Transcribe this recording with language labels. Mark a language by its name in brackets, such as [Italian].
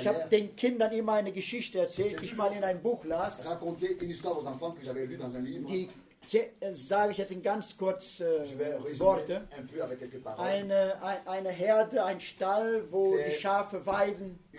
[German] ich habe den Kindern immer eine Geschichte erzählt, die ich mal in einem Buch las. [French] Raconter une histoire aux enfants que j'avais lu dans un livre. [German] Die sage ich jetzt in ganz kurz Worte. Eine Herde, ein Stall, wo [French] c'est [German] die Schafe weiden.